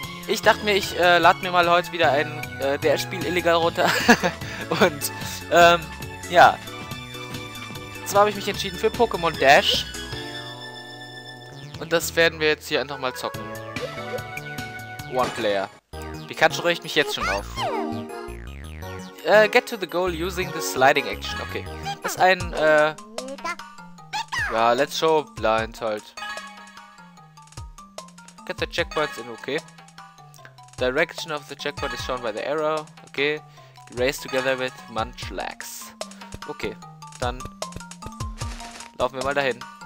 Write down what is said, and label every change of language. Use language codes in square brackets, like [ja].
[de] Ich dachte mir, ich lade mir mal heute wieder ein DS-Spiel illegal runter. Und, ja. Zwar habe ich mich entschieden für Pokémon Dash. Und das werden wir jetzt hier einfach mal zocken. [en] One Player. [de] Pikachu regt mich jetzt schon auf. [en] Get to the goal using the sliding action. Okay. [de] Das ist ein, ja, [en] let's show blind [de] halt. [en] Get the checkpoints in, okay. Direction of the checkpoint is shown by the arrow. Okay. Race together with Munchlax. [de] Okay, dann laufen wir mal dahin.